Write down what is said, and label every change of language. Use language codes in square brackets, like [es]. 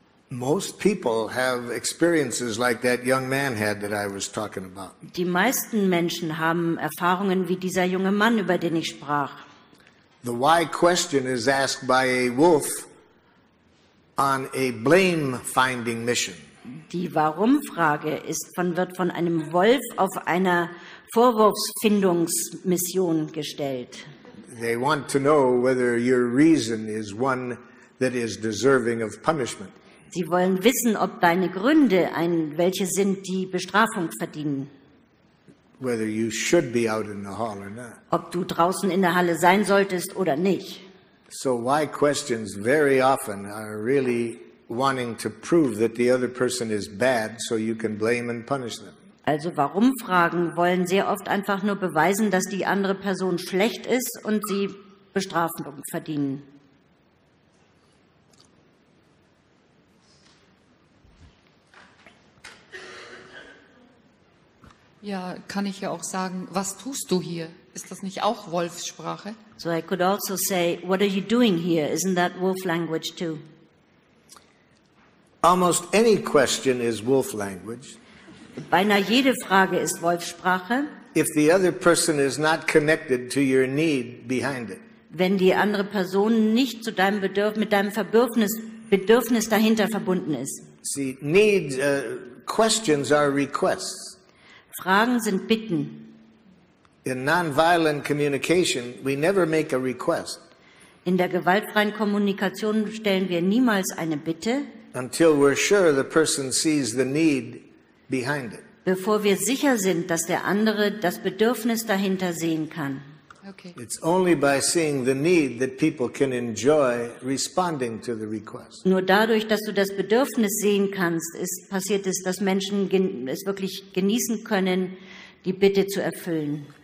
[en] Most people have experiences like that young man had that I was talking about. [de] Die meisten Menschen haben Erfahrungen wie dieser junge Mann, über den ich sprach. [en] The why question is asked by a wolf on a blame-finding mission. [de] Die Warum-Frage wird von einem Wolf auf einer Vorwurfsfindungsmission gestellt. [en] They want to know whether your reason is one that is deserving of punishment. [de] Sie wollen wissen, ob deine Gründe welche sind, die Bestrafung verdienen. [en] Whether you should be out in the hall or not. [de] Ob du draußen in der Halle sein solltest oder nicht. [en] So why questions very often are really wanting to prove that the other person is bad so you can blame and punish them. [de] Also warum Fragen wollen sehr oft einfach nur beweisen, dass die andere Person schlecht ist und sie Bestrafung verdienen. Ja, kann ich ja auch sagen, was tust du hier? Ist das nicht auch Wolfssprache? [en] So I could also say, what are you doing here? Isn't that wolf language too? Almost any question is wolf language. [de] Beinahe jede Frage ist Wolfssprache. [en] If the other person is not connected to your need behind it. [de] Wenn die andere Person nicht zu deinem Bedürfnis dahinter verbunden ist. [en] See, needs, questions are requests. [de] Fragen sind Bitten. [en] In non-violent communication, we never make a request. [de] In der gewaltfreien Kommunikation stellen wir niemals eine Bitte. [en] Until we're sure the person sees the need behind it. [de] Bevor wir sicher sind, dass der andere das Bedürfnis dahinter sehen kann. [en] Okay. It's only by seeing the need that people can enjoy responding to the request. [de] Nur dadurch, dass du das Bedürfnis sehen kannst, passiert es, dass Menschen es wirklich genießen können, die Bitte zu erfüllen.